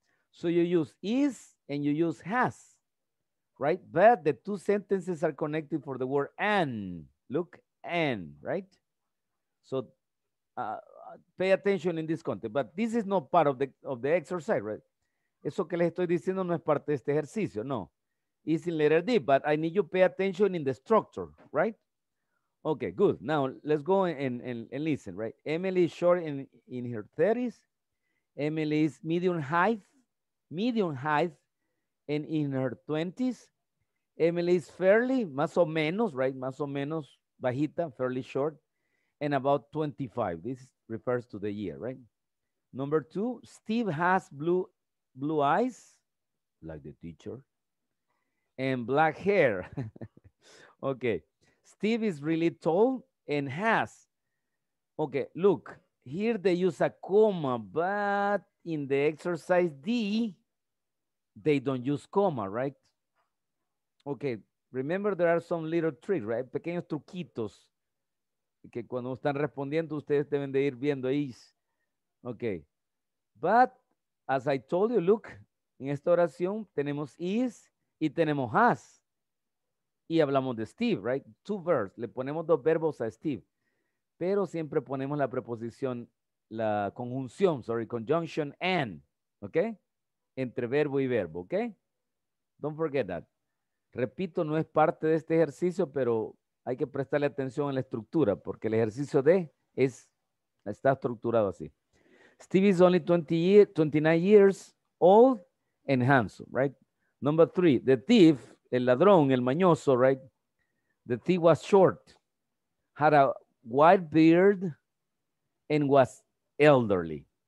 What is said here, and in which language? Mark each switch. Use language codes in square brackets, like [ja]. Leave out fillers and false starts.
[en] So you use is and you use has, right? But the two sentences are connected for the word and. Look, and, right? So pay attention in this context, but this is not part of the exercise, right? [es] Eso que les estoy diciendo no es parte de este ejercicio, no. [en] It's in letter D, but I need you to pay attention in the structure, right? Okay, good. Now, let's go and listen, right? Emily is short in her 30s. Emily is medium height and in her 20s. Emily is fairly, [es] más o menos, [en] right? [es] Más o menos bajita, [en] fairly short, and about 25. This refers to the year, right? Number two, Steve has blue eyes, like the teacher, and black hair. Okay, Steve is really tall and has. Okay, look, here they use a comma, but in the exercise D, they don't use comma, right? Okay, remember there are some little tricks, right? [es] Pequeños truquitos. Que cuando están respondiendo, ustedes deben de ir viendo ahí. [en] Okay. But, as I told you, look, [es] en esta oración tenemos is y tenemos has. Y hablamos de Steve, right? [en] Two verbs. [es] Le ponemos dos verbos a Steve. Pero siempre ponemos la preposición, la conjunción, sorry, [en] conjunction and, [es] okay? Entre verbo y verbo, okay? [en] Don't forget that. [es] Repito, no es parte de este ejercicio, pero hay que prestarle atención a la estructura porque el ejercicio D está estructurado así. [en] Steve is only 29 years old and handsome, right? Number three, the thief, [es] el ladrón, el mañoso, [en] right? The thief was short, had a white beard, and was elderly.